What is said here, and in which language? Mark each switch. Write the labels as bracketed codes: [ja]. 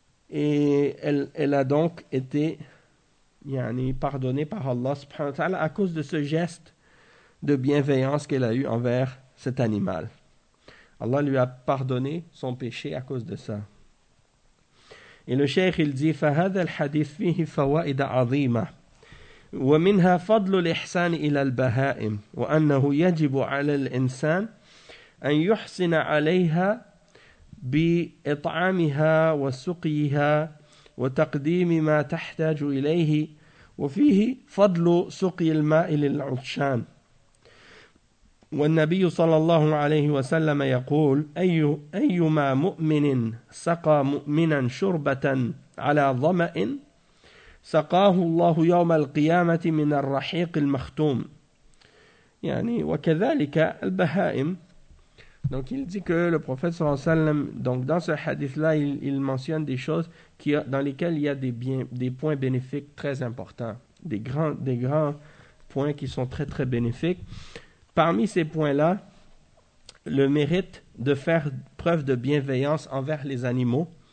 [fr] Et elle a donc été pardonnée par Allah subhanahu wa ta'ala à cause de ce geste de bienveillance qu'elle a eu envers cet animal. Allah lui a pardonné son péché à cause de ça. Et le cheikh, il dit, [ar] « فَهَذَا الْحَدِثْ فِيهِ فَوَائِدَ عَظِيمَةً ومنها فضل الإحسان إلى البهائم وأنه يجب على الإنسان أن يحسن عليها بإطعامها وسقيها وتقديم ما تحتاج إليه وفيه فضل سقي الماء للعطشان والنبي صلى الله عليه وسلم يقول أيما مؤمن سقى مؤمنا شربة على ظمأ سقاه الله يوم القيامة من الرحيق المختوم. وكذلك البهائم. [fr] Donc il dit que le prophète sallallahu alayhi wa sallam, donc dans ce hadith là, il mentionne des choses dans lesquelles il y a des points bénéfiques très importants, des grands points qui sont très très bénéfiques. Parmi ces points là, le mérite de faire preuve de bienveillance envers les animaux.